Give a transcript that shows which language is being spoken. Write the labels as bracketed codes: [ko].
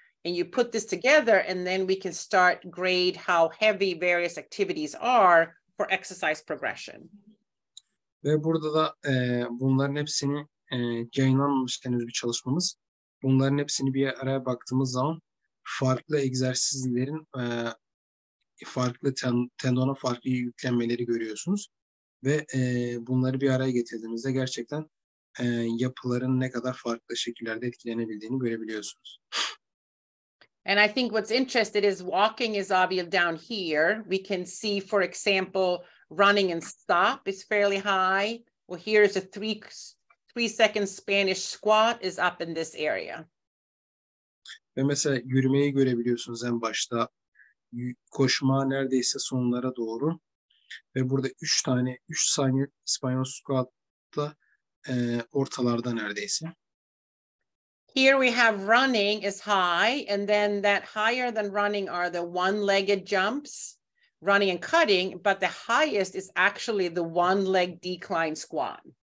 [en] And you put this together, and then we can start grade how heavy various activities are for exercise progression. [tr] Ve burada da bunların hepsini yayınlanmamış henüz bir çalışmamız. Bunların hepsini bir araya baktığımız zaman farklı egzersizlerin farklı tendona farklı yüklenmeleri görüyorsunuz. Ve bunları bir araya getirdiğimizde gerçekten yapıların ne kadar farklı şekillerde etkilenebildiğini görebiliyorsunuz. [en] And I think what's interesting is walking is obvious down here. We can see, for example, running and stop is fairly high. Well, here is a three-second Spanish squat is up in this area. [tr] Ve mesela yürümeyi görebiliyorsunuz en başta. Koşma neredeyse sonlara doğru. Ve burada 3 saniye İspanyol squat'ta ortalarda neredeyse. [en] Here we have running is high, and then that higher than running are the one-legged jumps, running and cutting, but the highest is actually the one-leg decline squat.